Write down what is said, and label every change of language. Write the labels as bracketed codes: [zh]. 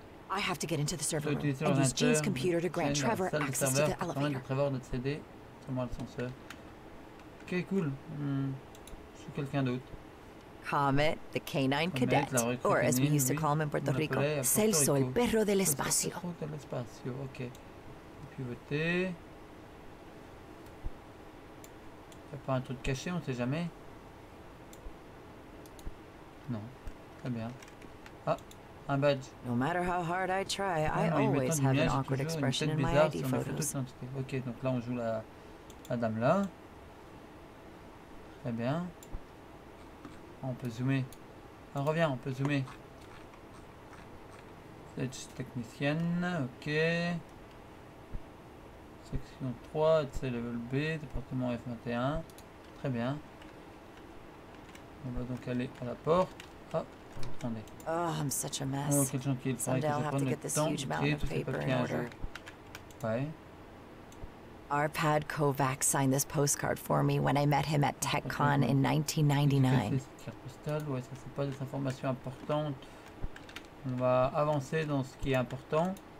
[en] I have to get into the server room and use Jean's computer to grant Trevor access to the elevator. [fr] Permet de Trevor de céder sur moi l'ascenseur. Ok, cool. Je suis quelqu'un d'autre. [en] Comet, the canine cadet, or as we used to call him in Puerto Rico, Celso, el perro del espacio. [fr] Perro del espacio, ok. Pivoté. Y'a pas un truc caché, on sait jamais. Non, très bien. Ah, un badge. [en] No matter how hard I try, I always have an awkward expression in my ID photos. [fr] Ok, donc là on joue la, la dame là. Très bien. On peut zoomer. On revient, on peut zoomer. Edge technicienne, ok. Section 3, etc. Level B, département F21. Très bien. On va donc aller à la porte. Hop, oh, on est. [en] Oh, I'm such a mess. [fr] Oh, quel gentil, il faudrait que je prenne le temps. Ok, tout ces papiers à jour. Ouais. [en] Arpad Kovac signed this postcard for me when I met him at TechCon in 1999. [fr] Carte postale, ouais, ça c'est pas des informations importantes. On va avancer dans ce qui est important.